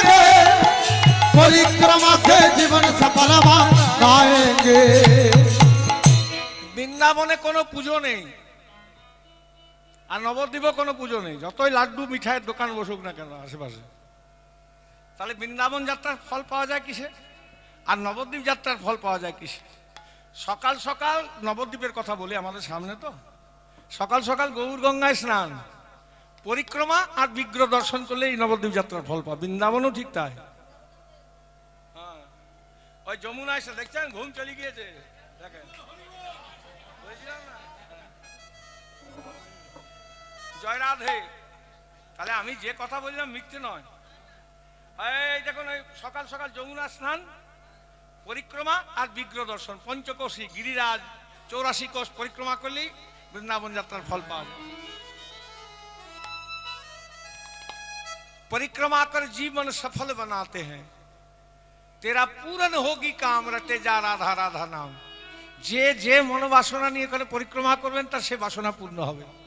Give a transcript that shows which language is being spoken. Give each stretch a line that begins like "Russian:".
Hindi: परिक्रमा से जीवन सफल बनाएंगे
Bangla: বৃন্দাবনে কোনো পূজো নেই আর নবদ্বীপে কোনো পূজো নেই যতই লাড্ডু মিঠাইয়ের দোকান বসুক না কেন আশেপাশে তাহলে বৃন্দাবন যাত্রার ফল পাওয়া যায় কিসে আর নবদ্বীপ যাত্রার ফল পাওয়া যায় কিসে সকাল সকাল নবদ্বীপের কথা বলি আমাদের সামনে তো সকাল সকাল গৌর গঙ্গায় স্নান পরিক্রমা আর বিগ্রহ দর্শন করলে এই নবদ্বীপ যাত্রার ফল পাওয়া বৃন্দাবনও ঠিক তাই ওই যমুনা এসে দেখছেন ঘুম চলে গিয়েছে দেখেন জয় জয় রাধে। তাহলে আমি যে কথা বললাম মিথ্যে নয়। এই দেখুন, ওই সকাল সকাল যমুনা স্নান, পরিক্রমা আর বিগ্রহ দর্শন, পঞ্চকোশী গিরিরাজ, 84 কোষ পরিক্রমা করলেই বৃন্দাবন যাত্রার ফল পাওয়া যায়।
Hindi: परिक्रमा कर जीवन सफल बनाते हैं। तेरा पूरन होगी काम रटे जा राधा राधा नाम। जे जे मन वासना नहीं करे परिक्रमा करवें तर से वासना पूर्ण होवे।